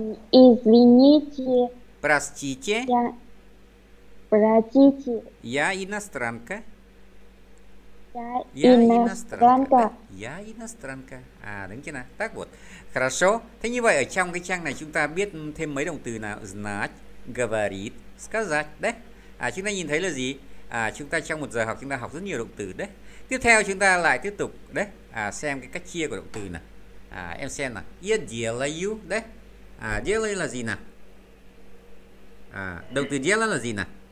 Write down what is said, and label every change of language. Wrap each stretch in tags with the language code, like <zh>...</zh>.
<ru>Извините. Простите. Я простите. Я иностранка. Я иностранка. Я иностранка.</ru> <vi>À đúng chưa nào?</vi> <ru>Так вот. Хорошо.</ru> <vi>Thế như vậy ở trong cái trang này chúng ta biết thêm mấy động từ nào?</vi> <ru>Знать, говорит, сказать, đấy.</ru> <vi>À, chúng ta nhìn thấy là gì? À, chúng ta trong một giờ học chúng ta học rất nhiều động từ đấy. Tiếp theo chúng ta lại tiếp tục đấy. À, xem cái cách chia của động từ này. À, em xem nào.</vi> <ru>Я делаю,</ru> <vi>đấy. À, делаю là gì nào? À, động từ делать là gì nào?</vi>